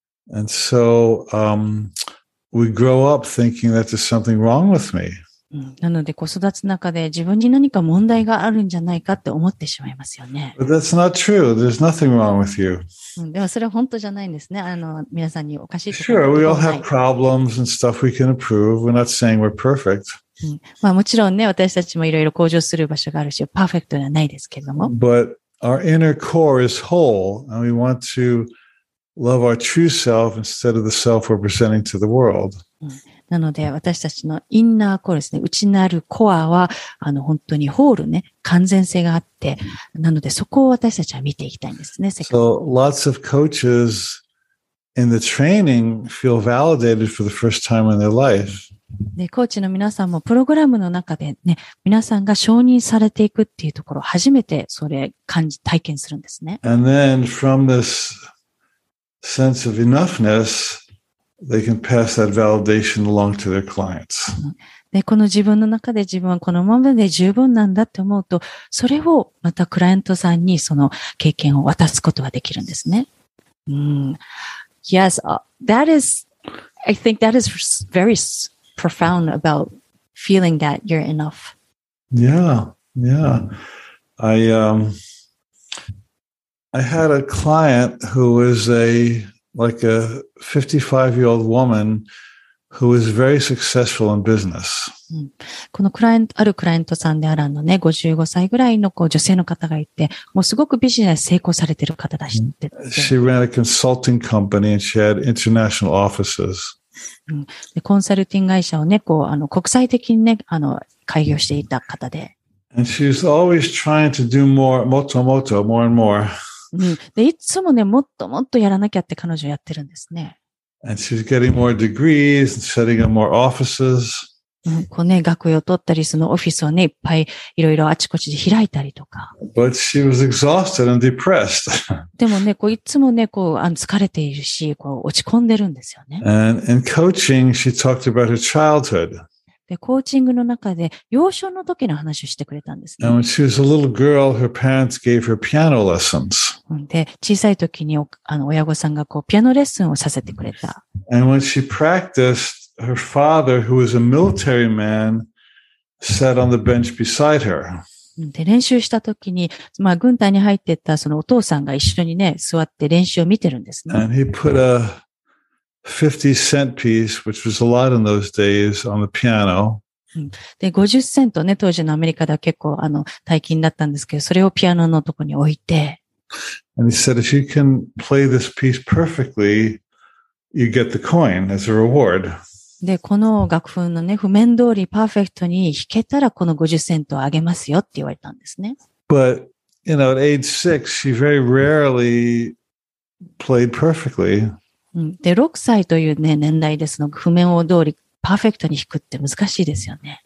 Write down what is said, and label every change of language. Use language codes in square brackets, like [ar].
[en] And so, we grow up thinking that there's something wrong with me. [ja] なので、子育つ中で自分に何か問題があるんじゃないかって思ってしまいますよね。 [en] But that's not true. There's nothing wrong with you. [ja] でもそれは本当じゃないんですね。皆さんにおかしいところ。 [en] Sure, we all have problems and stuff we can improve. We're not saying we're perfect. [ja] まあもちろんね、私たちもいろいろ向上する場所があるし、パーフェクトではないですけども。 [en] But our inner core is whole, and we want to love our true self instead of the self we're presenting to the world. [ja] なので、私たちのインナーコアですね、内なるコアは、本当にホールね、完全性があって、なので、そこを私たちは見ていきたいんですね、世界。 [en] So, lots of coaches in the training feel validated for the first time in their life. [ja] で、コーチの皆さんもプログラムの中でね、皆さんが承認されていくっていうところ、初めてそれ感じ、体験するんですね。 [en] And then from this sense of enoughness, they can pass that validation along to their clients. [ja] で、この自分の中で自分はこのままで十分なんだって思うと、それをまたクライアントさんにその経験を渡すことができるんですね。 [en] Yes, that is, I think that is very,profound about feeling that you're enough. Yeah. I had a client who was a 55-year-old woman who was very successful in business. [ja] このクライアント、あるクライアントさんであるね、55歳ぐらいのこう女性の方がいて、もうすごくビジネス成功されてる方だしって。 [en] She ran a consulting company and she had international offices. [ja] でコンサルティング会社をね、こう、国際的にね、開業していた方で。 [en] And she's always trying to do more, [ja] もっともっと、 [en] more and more. [ja] で、いつもね、もっともっとやらなきゃって彼女やってるんですね。 [en] And she's getting more degrees and setting up more offices. [ja] こうね、学位を取ったり、そのオフィスをね、いっぱいいろいろあちこちで開いたりとか。 [en] But she was exhausted and depressed. [ja] でもね、こういつもね、こう疲れているし、こう落ち込んでるんですよね。 [en] And in coaching, she talked about her childhood. [ja] で、コーチングの中で幼少の時の話をしてくれたんですね。 [en] And when she was a little girl, her parents gave her piano lessons. [ja] で、小さい時に親御さんがこうピアノレッスンをさせてくれた。 [en] And when she practiced,Her father, who was a military man, sat on the bench beside her. [ja] で、練習した時に、まあ、軍隊に入ってったそのお父さんが一緒にね、座って練習を見てるんですね。 [en] And he put a 50 cent piece, which was a lot in those days, on the piano. [ja] で、50セントね、当時のアメリカでは結構、大金だったんですけど、それをピアノのとこに置いて。 [en] And he said, if you can play this piece perfectly, you get the coin as a reward. [ja] で、この楽譜のね、譜面通りパーフェクトに弾けたら、この50セントをあげますよって言われたんですね。 [en] But, you know, at age 6, she very rarely played perfectly. [ja] で、6歳というね、年代でその譜面を通りパーフェクトに弾くって難しいですよね。